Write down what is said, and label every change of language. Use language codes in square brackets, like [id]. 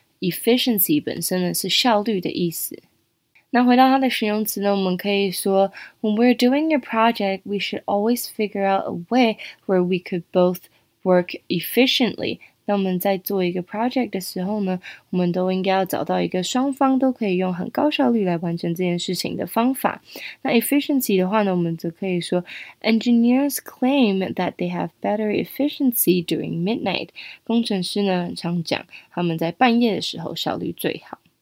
[zh] efficiency 本身呢，是效率的意思。那回到它的形容词呢，我们可以说 [en] ，When we're doing a project, we should always figure out a way where we could both。 Work efficiently. [zh] 那我们在做一个 project 的时候呢，我们都应该要找到一个双方都可以用很高效率来完成这件事情的方法。那 efficiency 的话呢，我们就可以说 [en] engineers claim that they have better efficiency during midnight. [zh] 工程师呢，很常讲他们在半夜的时候效率最好。